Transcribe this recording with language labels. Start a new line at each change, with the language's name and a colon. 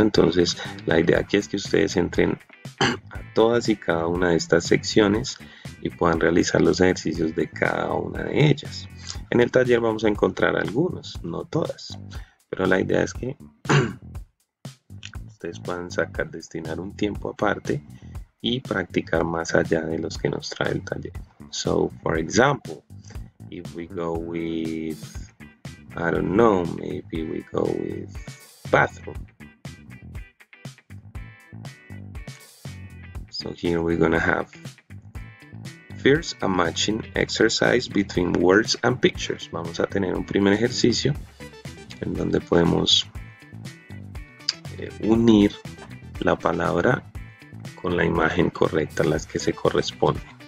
Spanish: Entonces, la idea aquí es que ustedes entren a todas y cada una de estas secciones y puedan realizar los ejercicios de cada una de ellas. En el taller vamos a encontrar algunos, no todas, pero la idea es que ustedes puedan sacar, destinar un tiempo aparte y practicar más allá de los que nos trae el taller.
English: So, for example, if we go with, I don't know, maybe we go with bathroom. So here we're gonna have first a matching exercise between words and pictures.
Spanish: Vamos a tener un primer ejercicio en donde podemos unir la palabra con la imagen correcta, las que se corresponden.